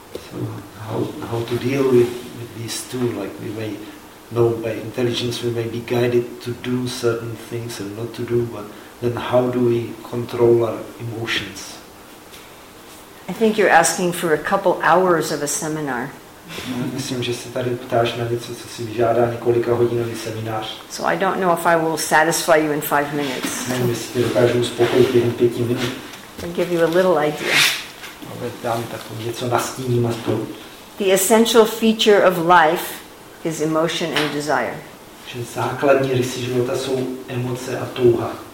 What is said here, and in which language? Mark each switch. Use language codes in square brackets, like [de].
[en] So how to deal with these two? Like we may know by intelligence, we may be guided to do certain things and not to do, but then how do we control our emotions? I think you're asking for a couple hours of a seminar. [cs] Myslím, že se tady ptáš na něco, co si vyžádá několika hodinový seminář. [en] So I don't know if I will satisfy you in 5 minutes. [cs] Nevím, jestli tě dokážu uspokojit během 5 minut. [en] I'll give you a little idea. [cs] Ale dám takovou něco nastíním a spolu. [en] The essential feature of life is emotion and desire. [cs] Že základní rysy života jsou emoce a touha.